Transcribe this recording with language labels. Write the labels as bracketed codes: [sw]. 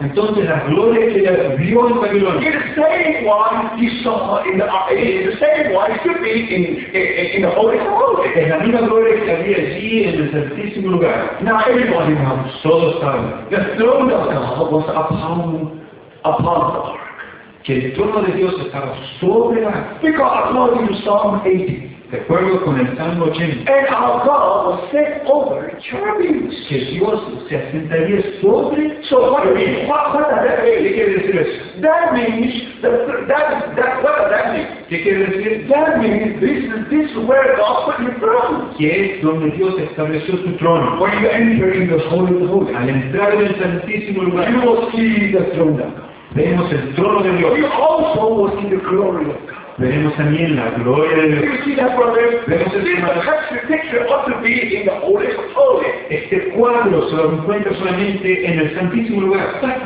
[es] Entonces la gloria que él vio en Babilonia. [en] It's the same one he saw in the it should be in the holy holy. [es] Es la misma gloria que había allí en el santísimo lugar. [en] Now everybody knows. [es] Todos saben. [en] The throne of God was upon the ark. [es] Que el trono de Dios estaba sobre la arca. [en] Because according to Psalm 80. [es] De acuerdo con el Salmo 80. [en] And our God was set over the cherubims. [es] Que Dios se asentaría sobre. [en] So what does that mean? This is where God put your throne. [es] Que es donde Dios estableció su trono. [en] When you enter in the holy of holies. [es] Al entrar en el santísimo lugar. [en] You will see the throne of God. [es] Veremos el trono de Dios. [en] You also will see the glory of God. [es] Veremos también la gloria de Dios. [en] You see that brother? [es] Veremos el [en] picture ought to be in the holy of holies. [es] Este cuadro se lo encuentra solamente en el santísimo lugar.